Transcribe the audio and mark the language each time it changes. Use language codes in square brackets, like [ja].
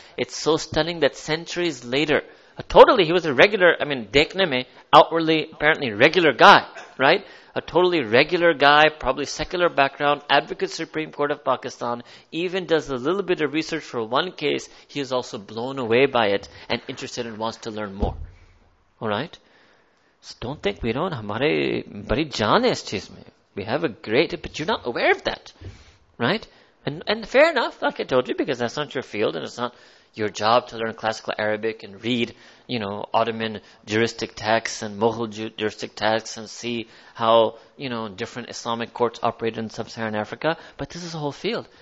[en] It's so stunning that centuries later, outwardly apparently regular guy, right? A totally regular guy, probably secular background, advocate Supreme Court of Pakistan, even does a little bit of research for one case, he is also blown away by it and interested and wants to learn more. Alright? So don't think we don't [ur] ہمارے بڑی جان ہے اس چیز میں۔ [en] We have a great, but you're not aware of that. Right? And fair enough, like I told you, because that's not your field and it's not your job to learn classical Arabic and read, you know, Ottoman juristic texts and Mughal juristic texts and see how, you know, different Islamic courts operate in sub-Saharan Africa. But this is a whole field.